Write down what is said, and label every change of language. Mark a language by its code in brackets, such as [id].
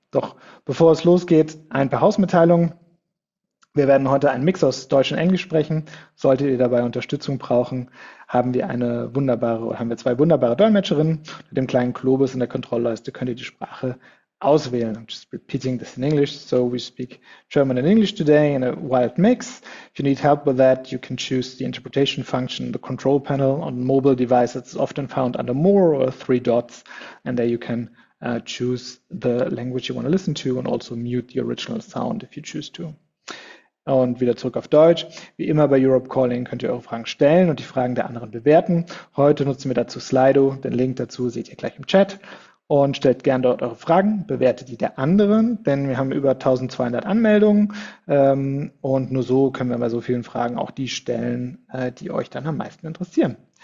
[de] Doch bevor es losgeht, ein paar Hausmitteilungen. Wir werden heute einen Mix aus Deutsch und Englisch sprechen. Solltet ihr dabei Unterstützung brauchen, haben wir zwei wunderbare Dolmetscherinnen. Mit dem kleinen Globus in der Kontrollleiste könnt ihr die Sprache auswählen. [en] I'm just repeating this in English. So we speak German and English today in a wild mix. If you need help with that, you can choose the interpretation function, the control panel on mobile devices. It's often found under more or three dots. And there you can choose the language you want to listen to and also mute the original sound if you choose to. [de] Und wieder zurück auf Deutsch. Wie immer bei Europe Calling könnt ihr eure Fragen stellen und die Fragen der anderen bewerten. Heute nutzen wir dazu Slido. Den Link dazu seht ihr gleich im Chat. Und stellt gerne dort eure Fragen, bewertet die der anderen, denn wir haben über 1200 Anmeldungen, und nur so können wir bei so vielen Fragen auch die stellen, die euch dann am meisten interessieren.